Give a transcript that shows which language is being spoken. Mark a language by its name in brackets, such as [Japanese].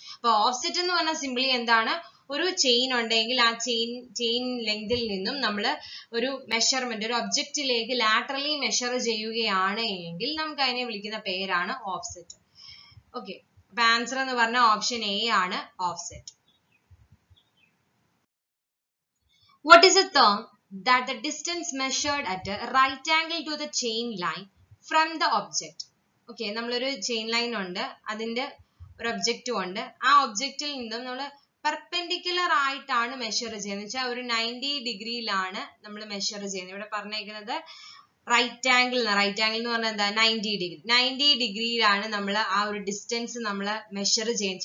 [Malayalam] അപ്പൊ ഓഫ്സെറ്റ് എന്ന് പറഞ്ഞാൽ സിംപ്ലി എന്താണ്? ഒരു ചെയിൻ ഉണ്ടെങ്കിൽ ആ ചെയിൻ ലെങ്തിൽ നിന്നും നമ്മൾ ഒരു മെഷർമെന്റ്, ഒരു ഒബ്ജക്റ്റിലേക്ക് ലാറ്ററലി മെഷർ ചെയ്യുകയാണ് എങ്കിൽ നമുക്ക് അതിനെ വിളിക്കുന്ന പേരാണ് ഓഫ്സെറ്റ്. ഓക്കെ, അപ്പൊ ആൻസർ എന്ന് പറഞ്ഞാൽ ഓപ്ഷൻ എ ആണ് offset. [English] What is the term that the distance measured at a right angle to the chain line from the object? [Malayalam] Okay, നമ്മളൊരു ചെയിൻ ലൈൻ ഉണ്ട്, അതിന്റെ ഒരു ഒബ്ജക്റ്റും ഉണ്ട്. ആ ഒബ്ജക്റ്റിൽ നിന്നും നമ്മൾ പെർപെൻഡിക്കുലർ ആയിട്ടാണ് മെഷർ ചെയ്യുന്നത്. വെച്ചാൽ ഒരു 90 ഡിഗ്രിയിലാണ് നമ്മൾ മെഷർ ചെയ്യുന്നത്. ഇവിടെ പറഞ്ഞേക്കുന്നത് റൈറ്റ് ആംഗിൾ, റൈറ്റ് ആംഗിൾ എന്ന് പറഞ്ഞാൽ എന്താ, 90 ഡിഗ്രി. 90 ഡിഗ്രിയിലാണ് നമ്മൾ ആ ഒരു ഡിസ്റ്റൻസ് നമ്മൾ മെഷർ ചെയ്യുന്നത്.